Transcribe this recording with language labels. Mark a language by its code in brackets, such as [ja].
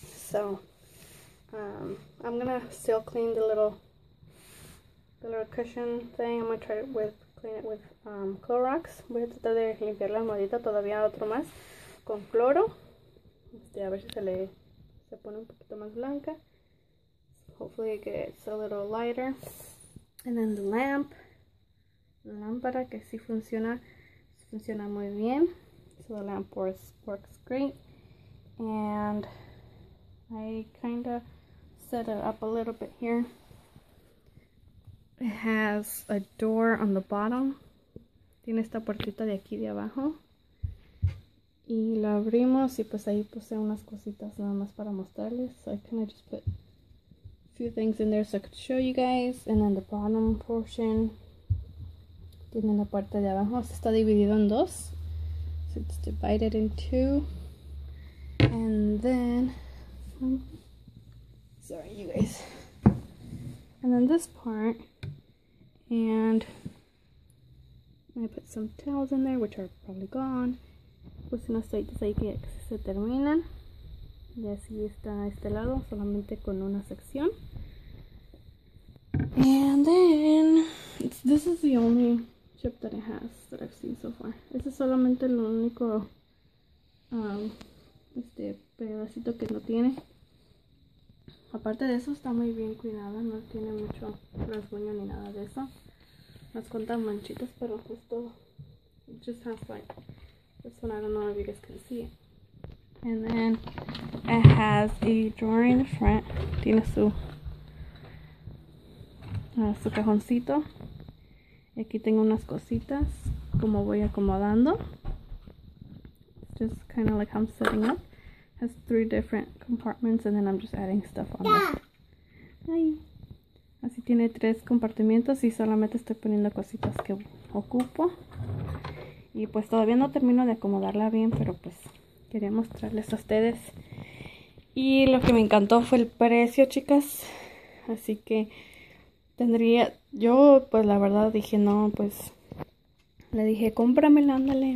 [en] So, I'm gonna still clean the little cushion thing. I'm gonna try it with. Clean it with Clorox. [es] Voy a tratar de limpiar la almohadita todavía otro más con cloro. A ver si se pone un poquito más blanca. [en] Hopefully it gets a little lighter. And then the lamp. [es] La lámpara que sí funciona. Funciona muy bien. [en] So the lamp works great. And I kind of set it up a little bit here. It has a door on the bottom. [es] Tiene esta puertita de aquí de abajo. Y lo abrimos y pues ahí puse unas cositas nada más para mostrarles. [en] So I kind of just put a few things in there so I could show you guys. And then the bottom portion. [es] Tiene la parte de abajo. Se está dividido en dos. [en] So it's divided in two. And then, sorry you guys. And then this part. And I put some towels in there, which are probably gone. [es] Pues unas toallitas ahí que se terminan. Y así está este lado, solamente con una sección. [en] And then, this is the only chip that it has that I've seen so far. [es] Este es solamente el único pedacito que no tiene. Aparte de eso, está muy bien cuidada, no tiene mucho rasguño ni nada de eso. Las cuentan manchitas, pero justo, [en] it just has like, this one, I don't know if you guys can see it. And then it has a drawer in the front. [es] Tiene su cajoncito. Y aquí tengo unas cositas como voy acomodando. [en] Just kind of like how I'm setting up. Has three different compartments and then I'm just adding stuff on it. Ay. [es] Así tiene tres compartimientos y solamente estoy poniendo cositas que ocupo. Y pues todavía no termino de acomodarla bien, pero pues quería mostrarles a ustedes. Y lo que me encantó fue el precio, chicas. Así que tendría, yo pues la verdad dije no, pues le dije cómpramela, ándale.